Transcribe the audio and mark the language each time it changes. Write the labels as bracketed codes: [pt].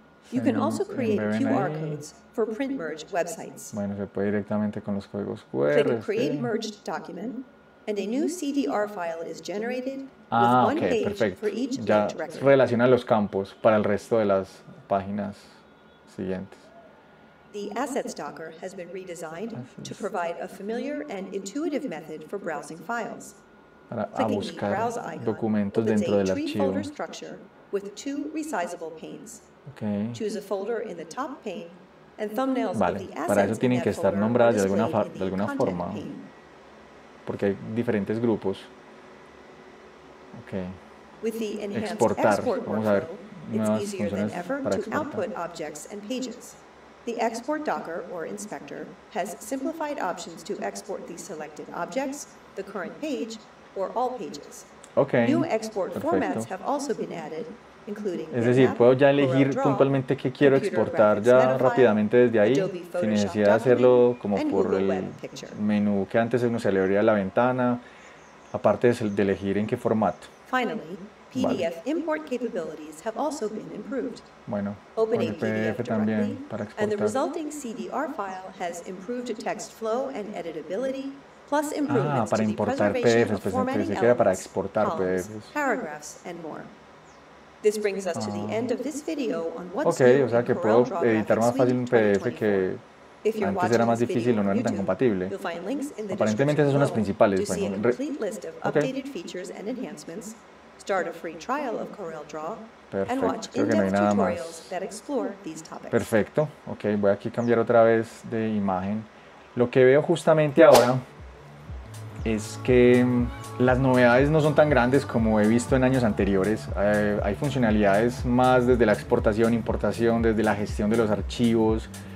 [en] You can also create QR codes for print merge websites. [es] Bueno, se puede directamente con los códigos QR. [en] Click a create merged document, and a new CDR file is generated with one page [es] perfecto. [en] For each [es] ya [en] page record. [es] Ya relaciona los campos para el resto de las páginas siguientes. [en] The assets docker has been redesigned to provide a familiar and intuitive method for browsing files. [es] Buscar documentos dentro del archivo. [en] Folder structure with two resizable panes. Okay. Choose a folder in the top pane and thumbnails of the assets. [es] Para eso tienen que estar nombradas de alguna forma. Porque hay diferentes grupos. Okay. [en] With the enhanced [es] exportar. [en] Export [es] vamos a ver nuevas funciones para [en] output objects and pages. The export docker or inspector has simplified options to export the selected objects, the current page, or all pages. Okay. New export formats have also been added, including [es] es decir, puedo ya elegir puntualmente qué quiero exportar ya rápidamente desde ahí, sin necesidad de hacerlo como por el menú que antes uno se le abría la ventana, aparte de elegir en qué formato. [en] Finally, PDF import capabilities have also been improved. [es] Bueno, [en] opening PDF directly, [es] también para exportar. [en] And the resulting CDR file has improved text flow and editability, plus improvements to the preservation of formatting elements, columns, paragraphs, and more. This brings us to the end of this video on what's new in CorelDRAW graphics for 2024. [es] Okay, o sea que puedo editar más fácil un PDF que antes era más difícil o no era tan compatible. Aparentemente esas son las principales. [en] Start a free trial of CorelDRAW and watch in-depth tutorials that explore these topics. [es] Perfecto. Ok, voy aquí a cambiar otra vez de imagen. Lo que veo justamente ahora es que las novedades no son tan grandes como he visto en años anteriores. Hay funcionalidades más desde la exportación, importación, desde la gestión de los archivos.